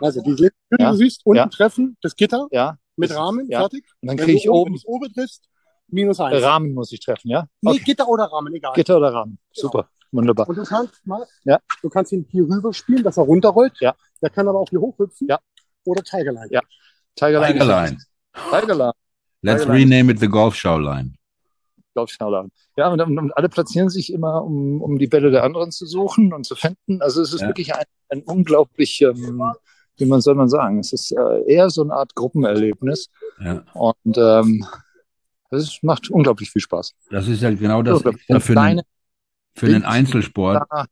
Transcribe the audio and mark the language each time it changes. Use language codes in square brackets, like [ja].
[de] Also die Lippen, du siehst, unten treffen, das Gitter mit Rahmen, fertig. Und dann kriege ich oben... Wenn du oben triffst, minus eins. Rahmen muss ich treffen, ja? Nee, Gitter oder Rahmen, egal. Gitter oder Rahmen, super. Genau. Wunderbar. Und du kannst ihn hier rüber spielen, dass er runterrollt. Ja. Der kann aber auch hier hochhüpfen. Ja. Oder Tiger Line. Ja. Tiger Line. [en] Let's rename it the Golf Show Line. [de] Golf Show Line. Ja, und alle platzieren sich immer, um die Bälle der anderen zu suchen und zu finden. Also es ist wirklich ein unglaublich, wie man soll man sagen, es ist eher so eine Art Gruppenerlebnis. Ja. Und es macht unglaublich viel Spaß. Das ist ja genau das, was dafür für den Einzelsport.